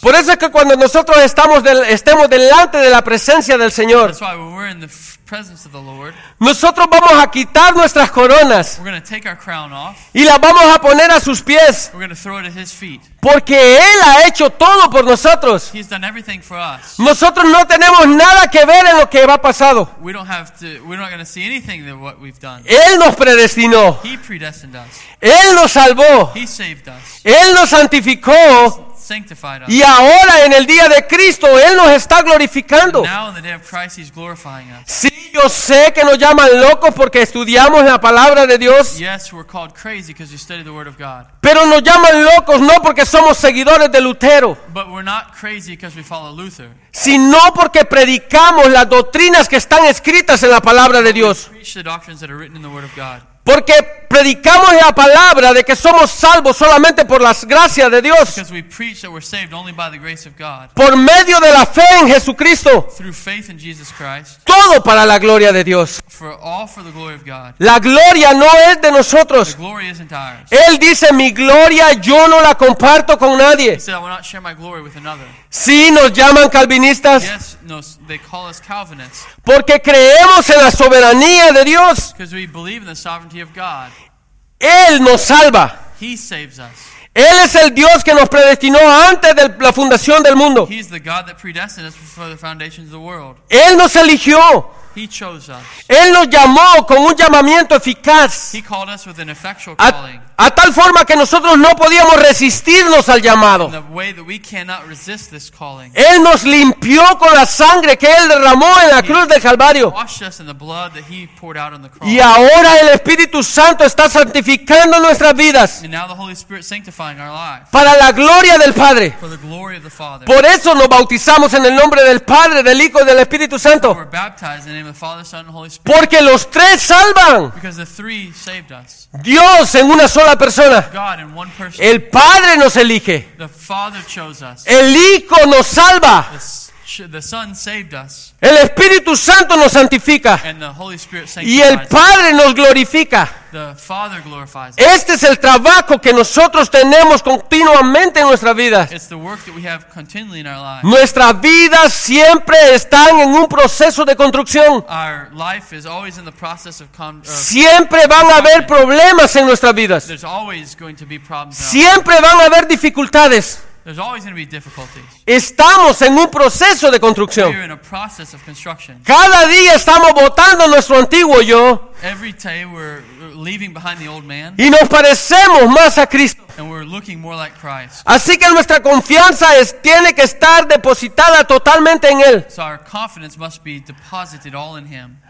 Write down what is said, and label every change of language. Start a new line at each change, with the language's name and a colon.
Spanish: Por eso es que cuando nosotros estemos delante de la presencia del Señor,
English: that's why when we're in the presence of the Lord,
Spanish: nosotros vamos a quitar nuestras coronas.
English: We're going to take our crown off.
Spanish: Y las vamos a poner a sus pies.
English: We're going to throw it at his feet.
Spanish: Porque Él ha hecho todo por nosotros.
English: He's done everything for us.
Spanish: Nosotros no tenemos nada que ver en lo que ha pasado.
English: We're not going to see anything that what we've done.
Spanish: Él nos predestinó.
English: He predestined us.
Spanish: Él nos salvó.
English: He saved us.
Spanish: Él nos santificó.
English: Sanctified us.
Spanish: Y ahora en el día de Cristo Él nos está glorificando.
English: And now in the day of Christ, he's glorifying us.
Spanish: Sí, yo sé que nos llaman locos porque estudiamos la palabra de Dios.
English: Yes, we're called crazy because we study the word of God.
Spanish: Pero nos llaman locos no porque somos seguidores de Lutero.
English: But we're not crazy because we follow Luther.
Spanish: Sino porque predicamos las doctrinas que están escritas en la palabra de Dios.
English: We preach the doctrines that are written in the word of God.
Spanish: Porque predicamos la palabra de que somos salvos solamente por las gracias de Dios.
English: Because we preach that we're saved only by the grace of God.
Spanish: Por medio de la fe en Jesucristo.
English: Through faith in Jesus Christ.
Spanish: Todo para la gloria de Dios.
English: For all for the glory of God.
Spanish: La gloria no es de nosotros.
English: The glory isn't ours.
Spanish: Él dice, mi gloria yo no la comparto con nadie.
English: He said, I will not share my glory with another.
Spanish: Sí, nos llaman calvinistas.
English: Yes, they call us Calvinists.
Spanish: Porque creemos en la soberanía de Dios.
English: Because we believe in the sovereignty of God.
Spanish: Él nos salva.
English: He saves us.
Spanish: Él es el Dios que nos predestinó antes de la fundación del mundo.
English: He is the God that predestined us before the foundations of the world.
Spanish: Él nos eligió.
English: He chose us.
Spanish: Él nos llamó con un llamamiento eficaz.
English: He called us with an effectual calling.
Spanish: A tal forma que nosotros no podíamos resistirnos al llamado.
English: In the way that we cannot resist this calling.
Spanish: Él nos limpió con la sangre que Él derramó en la cruz del Calvario.
English: Washed us in the blood that he poured out on the cross.
Spanish: Y ahora el Espíritu Santo está santificando nuestras vidas.
English: And now the Holy Spirit sanctifying our lives.
Spanish: Para la gloria del Padre.
English: For the glory of the Father.
Spanish: Por eso nos bautizamos en el nombre del Padre, del Hijo y del Espíritu Santo.
English: We're baptized in the name of the Father, Son, and Holy Spirit.
Spanish: Porque los tres salvan.
English: Because the three saved us.
Spanish: Dios en una sola persona.
English: God in one person.
Spanish: El Padre nos elige.
English: The Father chose us.
Spanish: El Hijo nos salva.
English: The The Son saved us.
Spanish: El Espíritu Santo nos santifica.
English: And the Holy Spirit sanctifies.
Spanish: Y el Padre nos glorifica.
English: The Father glorifies.
Spanish: Este es el trabajo que nosotros tenemos continuamente en nuestra vida.
English: It's the work that we have continually in our lives.
Spanish: Nuestra vida siempre está en un proceso de construcción.
English: Our life is always in the process of
Spanish: siempre van a haber problemas en nuestras vidas.
English: There's always going to be problems.
Spanish: Siempre van a haber dificultades.
English: There's always going to be difficulties.
Spanish: Estamos en un proceso de construcción.
English: We're in a process of construction.
Spanish: Cada día estamos botando nuestro antiguo yo.
English: Every day we're leaving behind the old man.
Spanish: Y nos parecemos más a Cristo.
English: And we're looking more like Christ.
Spanish: Así que nuestra confianza tiene que estar depositada totalmente en Él.
English: So our confidence must be deposited all in Him.